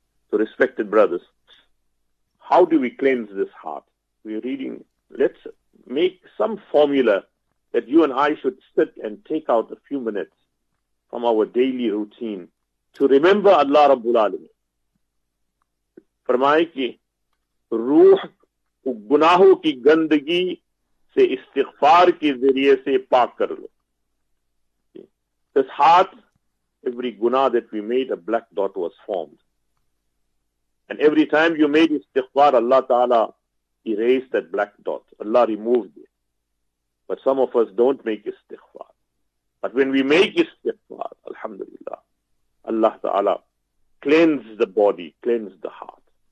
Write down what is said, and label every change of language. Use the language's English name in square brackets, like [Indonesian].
[English] So respected brothers, how do we cleanse this heart? We're reading, let's make some formula that you and I should sit and take out a few minutes from our daily routine to remember Allah Rabbul Alamin. [Urdu] فرمائے کہ روح گناہوں کی گندگی سے استغفار کے ذریعے سے پاک کر لو. [English] This heart, every guna that we made, a black dot was formed. And every time you made istighfar, Allah Ta'ala erased that black dot. Allah removed it. But some of us don't make istighfar. But when we make istighfar, alhamdulillah, Allah Ta'ala cleanses the body, cleanses the heart.